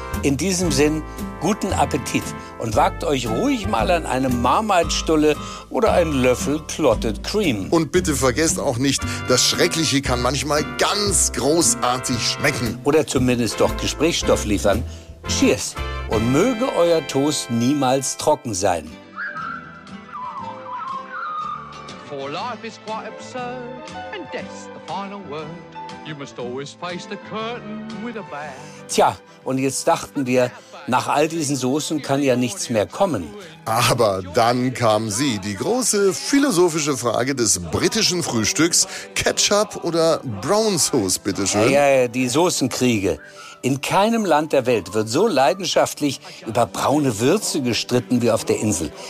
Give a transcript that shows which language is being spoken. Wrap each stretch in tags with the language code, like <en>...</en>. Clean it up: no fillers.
<de>In diesem Sinn, guten Appetit und wagt euch ruhig mal an eine Marmite-Stulle oder einen Löffel Clotted Cream. Und bitte vergesst auch nicht, das Schreckliche kann manchmal ganz großartig schmecken. Oder zumindest doch Gesprächsstoff liefern. Cheers! Und möge euer Toast niemals trocken sein.</de> <en>For life is quite absurd, and death's the final word. You must always face the curtain with a bow.</en> <de>Tja, und jetzt dachten wir, nach all diesen Soßen kann ja nichts mehr kommen. Aber dann kam sie, die große philosophische Frage des britischen Frühstücks. Ketchup oder Brown Sauce, bitteschön? Ja, die Soßenkriege. In keinem Land der Welt wird so leidenschaftlich über braune Würze gestritten wie auf der Insel.</de>